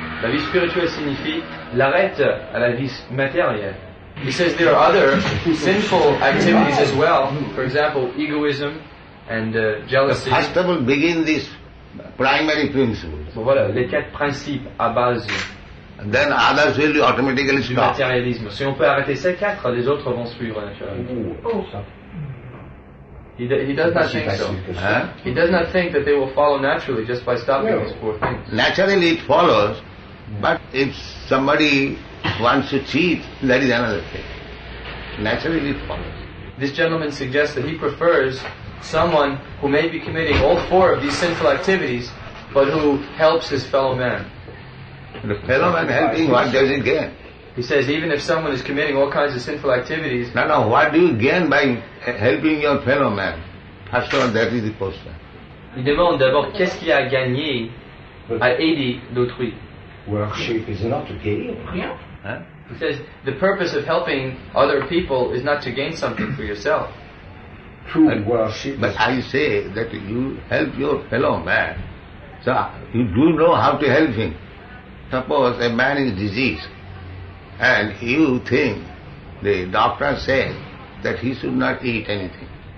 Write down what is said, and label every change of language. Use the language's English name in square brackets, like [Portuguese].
[French] La vie spirituelle signifie l'arrête à la vie matérielle. [English] He says there are other sinful activities as well. For example, egoism and jealousy. First of all, begin these primary principles. [French] Bon, voilà, les quatre principes à base. [English] And then others will be automatically stop. [French] Matérialisme. Si on peut arrêter ces quatre, les autres vont suivre naturellement. Oh, ça. [English] He does not think so. He does not think that they will follow naturally just by stopping these four things. Naturally it follows. But if somebody wants to cheat, that is another thing. Naturally it follows. This gentleman suggests that he prefers someone who may be committing all four of these sinful activities, but who helps his fellow man. The fellow man helping, what does he gain? He says even if someone is committing all kinds of sinful activities... No, what do you gain by helping your fellow man? First of all, that is the question. [French] Il demande d'abord qu'est-ce qu'il y a à gagner à aider d'autrui. [English] Worship is not to gain. Yeah. Huh? He says, the purpose of helping other people is not to gain something for yourself. True worship. But I say that you help your fellow man. So you do know how to help him. Suppose a man is diseased and you think, the doctor says that he should not eat anything.